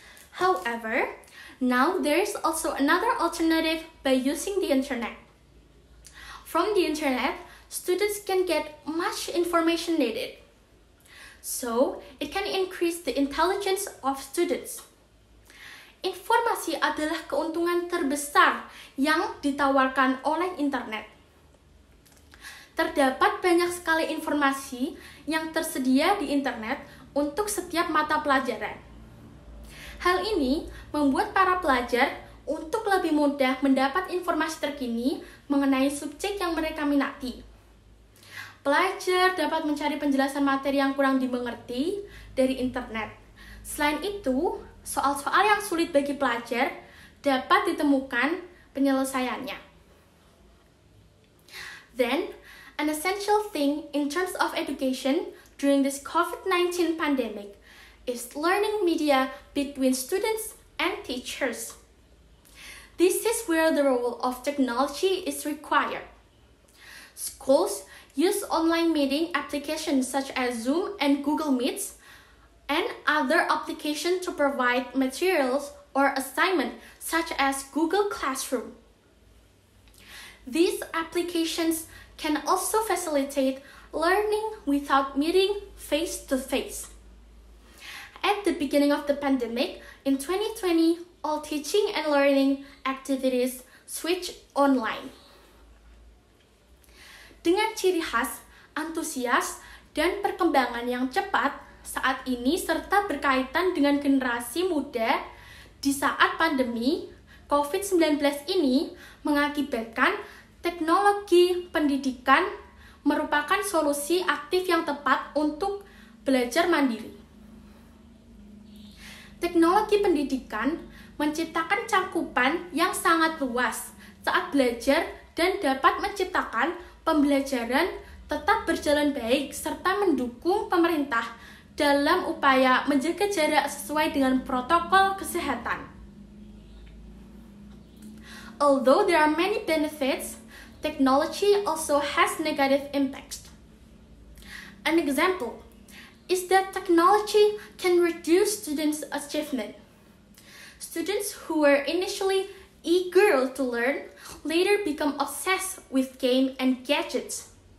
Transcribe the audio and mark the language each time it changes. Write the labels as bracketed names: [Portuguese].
[English] However, now there is also another alternative by using the internet. From the internet, students can get much information needed. So, it can increase the intelligence of students. [Indonesian] Informasi adalah keuntungan terbesar yang ditawarkan oleh internet. Terdapat banyak sekali informasi yang tersedia di internet untuk setiap mata pelajaran. Hal ini membuat para pelajar untuk lebih mudah mendapat informasi terkini mengenai subjek yang mereka minati. Pelajar dapat mencari penjelasan materi yang kurang dimengerti dari internet. Selain itu, soal-soal yang sulit bagi pelajar dapat ditemukan penyelesaiannya. [English] Then, an essential thing in terms of education during this COVID-19 pandemic is learning media between students and teachers. This is where the role of technology is required. Schools use online meeting applications such as Zoom and Google Meets and other applications to provide materials or assignments such as Google Classroom. These applications can also facilitate learning without meeting face to face. At the beginning of the pandemic in 2020, all teaching and learning activities switch online. [Indonesian] Dengan ciri khas, antusias, dan perkembangan yang cepat saat ini serta berkaitan dengan generasi muda di saat pandemi COVID-19 ini mengakibatkan teknologi pendidikan merupakan solusi aktif yang tepat untuk belajar mandiri. Teknologi pendidikan menciptakan cakupan yang sangat luas saat belajar dan dapat menciptakan pembelajaran tetap berjalan baik serta mendukung pemerintah dalam upaya menjaga jarak sesuai dengan protokol kesehatan. [English] Although there are many benefits, technology also has negative impacts. An example is that technology can reduce students' achievement. Students who were initially eager to learn later become obsessed with game and gadgets.